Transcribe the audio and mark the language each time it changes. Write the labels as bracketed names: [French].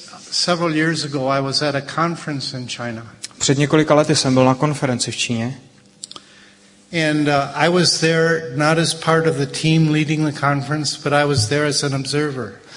[English] Several years ago I was at a conference in China. [Czech] Před několika lety jsem byl na konferenci v Číně. [English] And I was there not as part of the team leading the conference, but I was there as an observer.